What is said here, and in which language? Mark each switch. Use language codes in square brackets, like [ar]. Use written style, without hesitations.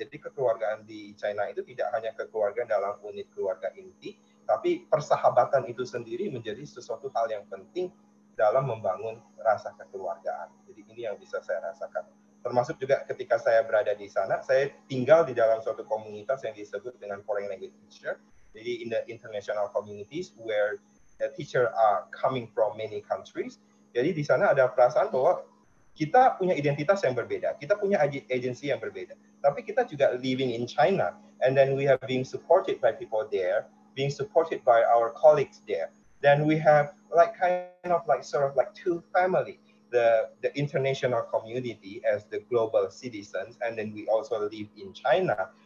[id] Jadi kekeluargaan di China itu tidak hanya kekeluargaan dalam unit keluarga inti, tapi persahabatan itu sendiri menjadi sesuatu hal yang penting dalam membangun rasa kekeluargaan. Jadi ini yang bisa saya rasakan. Termasuk juga ketika saya berada di sana, saya tinggal di dalam suatu komunitas yang disebut dengan foreign language teacher. [en] Jadi in the international communities where the teacher are coming from many countries. [id] Jadi di sana ada perasaan bahwa kita punya identitas yang berbeda, kita punya agensi yang berbeda. [en] Tapi kita juga living in China, and then we have been supported by people there, being supported by our colleagues there. Then we have like kind of like sort of like two family, the international community as the global citizens, and then we also live in China.